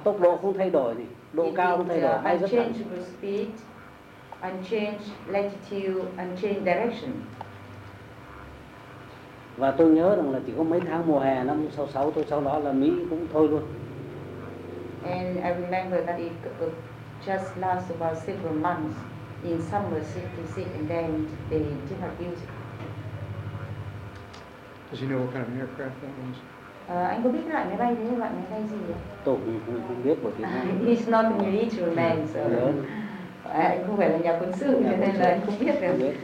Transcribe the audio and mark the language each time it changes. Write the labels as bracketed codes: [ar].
[vi] tốc độ không thay đổi này, độ cao không thay đổi, bay rất thẳng, [en] unchangeable speed, unchanged latitude, unchanged direction. [vi] Và tôi nhớ rằng là chỉ có mấy tháng mùa hè năm 66 thôi, sau đó là Mỹ cũng thôi luôn. [en] And I remember that it just lasted about several months in summer 66 and then they did not use it. Does he know what kind of aircraft that was? [vi] Anh có biết loại máy bay đấy, loại máy bay gì vậy? Tôi không biết một tiếng. [en] He's not a military man, so [vi] anh không phải là nhà quân sự, cho nên là anh không biết được.